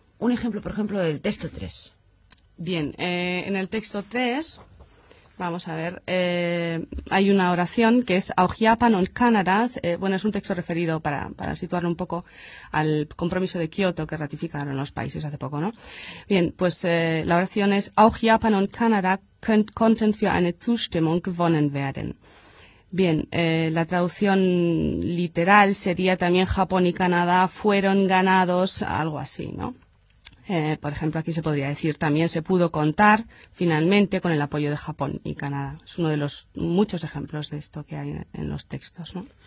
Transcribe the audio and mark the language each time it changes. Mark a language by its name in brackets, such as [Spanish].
[Spanish] Un ejemplo, por ejemplo, del texto 3. Bien, en el texto 3, vamos a ver, hay una oración que es [German] Auch Japan und Kanada. [Spanish] Bueno, es un texto referido para situarlo un poco al compromiso de Kioto que ratificaron los países hace poco, ¿no? Bien, pues la oración es [German] Auch Japan und Kanada könnten für eine Zustimmung gewonnen werden. [Spanish] Bien, la traducción literal sería también Japón y Canadá fueron ganados, algo así, ¿no? Por ejemplo, aquí se podría decir también se pudo contar finalmente con el apoyo de Japón y Canadá. Es uno de los muchos ejemplos de esto que hay en los textos, ¿no?